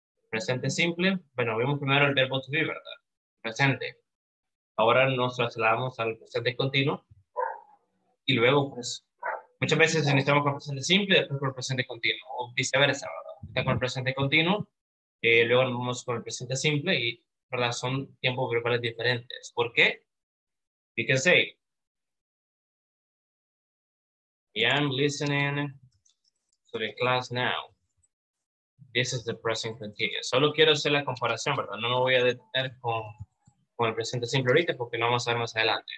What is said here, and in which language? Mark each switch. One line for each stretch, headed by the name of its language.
Spanish: Presente simple, bueno, vimos primero el verbo to be, ¿verdad? Presente. Ahora nos trasladamos al presente continuo y luego, pues, muchas veces iniciamos con el presente simple y después con el presente continuo, o viceversa, ¿verdad? Está con el presente continuo, luego nos vamos con el presente simple y ¿verdad? Son tiempos verbales diferentes. ¿Por qué?
English: You can say, I am listening to the class now. This is the present continuous.
Spanish: Solo quiero hacer la comparación, ¿verdad? No me voy a detener con el presente simple ahorita porque no vamos a ver más adelante.